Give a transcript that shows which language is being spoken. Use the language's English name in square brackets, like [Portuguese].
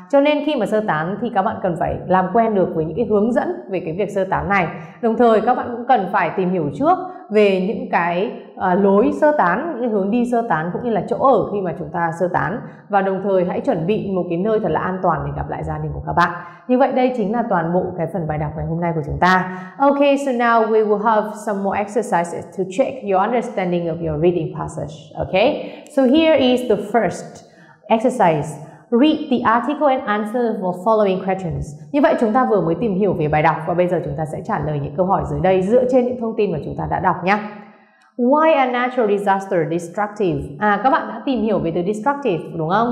[Vietnamese] Cho nên khi mà sơ tán thì các bạn cần phải làm quen được với những cái hướng dẫn về cái việc sơ tán này. Đồng thời các bạn cũng cần phải tìm hiểu trước về những cái lối sơ tán, những cái hướng đi sơ tán cũng như là chỗ ở khi mà chúng ta sơ tán. Và đồng thời hãy chuẩn bị một cái nơi thật là an toàn để gặp lại gia đình của các bạn. Như vậy đây chính là toàn bộ cái phần bài đọc ngày hôm nay của chúng ta. [English] Ok, so now we will have some more exercises to check your understanding of your reading passage. Ok, so here is the first exercise. Read the article and answer the following questions. [Vietnamese] Như vậy chúng ta vừa mới tìm hiểu về bài đọc và bây giờ chúng ta sẽ trả lời những câu hỏi dưới đây dựa trên những thông tin mà chúng ta đã đọc nhé. [English] Why are natural disasters destructive? [Vietnamese] Các bạn đã tìm hiểu về từ destructive đúng không?